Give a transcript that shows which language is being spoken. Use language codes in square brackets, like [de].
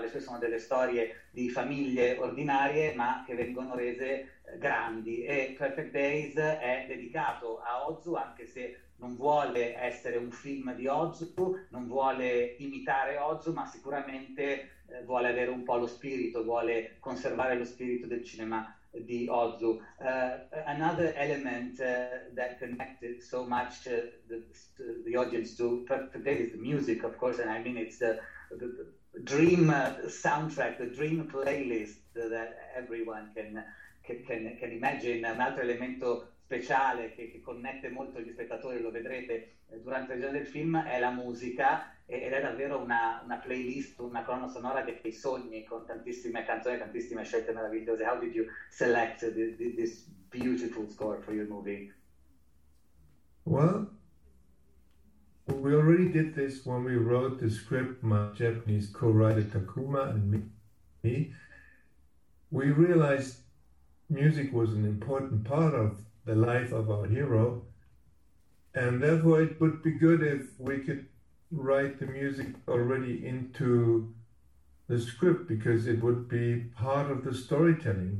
[it] Le sue sono delle storie di famiglie ordinarie ma che vengono rese grandi. E Perfect Days è dedicato a Ozu, anche se non vuole essere un film di Ozu, non vuole imitare Ozu, ma sicuramente vuole avere un po' lo spirito, vuole conservare lo spirito del cinema di Ozu. [en] Another element that connected so much the audience to Perfect Day is the music, of course, and I mean it's the dream soundtrack, the dream playlist that everyone can imagine. [it] Un altro elemento speciale che connette molto gli spettatori, lo vedrete durante la visione del film, è la musica, ed è davvero una playlist, una colonna sonora dei sogni, con tantissime canzoni, tantissime scelte meravigliose. [en] How did you select this beautiful score for your movie? Well, we already did this when we wrote the script, my Japanese co-writer Takuma and me. We realized music was an important part of the life of our hero, and therefore it would be good if we could write the music already into the script because it would be part of the storytelling.